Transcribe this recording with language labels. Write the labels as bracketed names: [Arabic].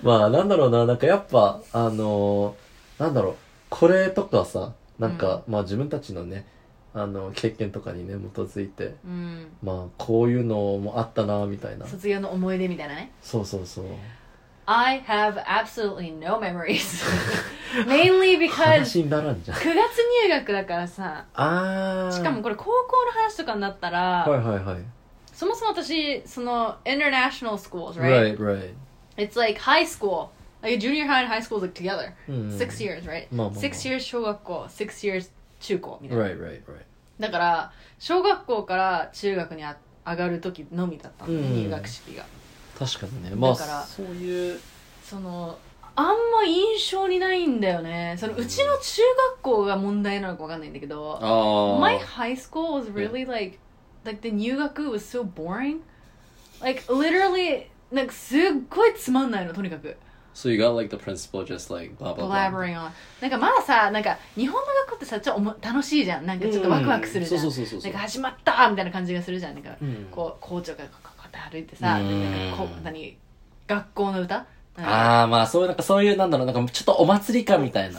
[Japanese] まあ、なんだろうな、なんかやっぱ、なんだろう、これとかさ、なんか、まあ自分たちのね、経験とかにね基づいて、まあこういうのもあったなみたいな、卒業の思い出みたいなね。そうそうそう。 [English] I have absolutely no memories. Mainly because [Japanese] 話にならんじゃん。 9月入学だからさ。ああ。しかもこれ高校の話とかになったら、はいはいはい、そもそも私その [English] international schools right? Right, right. It's like high school, like junior high and high school like together、6 years, right? [Japanese] まあまあ、まあ、 [English] 6 years [Japanese] 小学校、6 years中高みたいな。 [English] right, right, right. [Japanese] だから小学校から中学に上がる時のみだったの、入学式が。確かにね。まあ、だからそういうそのあんま印象にないんだよね。そのうちの中学校が問題なのか分かんないんだけど、 [English] My high school was really like, like the 入学 was so boring. Like literally, [Japanese] なんかすっごいつまんないの、とにかく。 [English] So you got like the principal just like blah blah blah. Blabbering on. [Japanese] なんかまださ、なんか日本の学校ってさ、ちょっと楽しいじゃん。なんかちょっとワクワクするじゃん。そうそうそう。なんか始まったみたいな感じがするじゃん。なんか、こう校長がこう歩いてさ、なんかこう、学校の歌。ああ、まあそういう、なんかそういう、なんだろう、なんかちょっとお祭りかみたいな。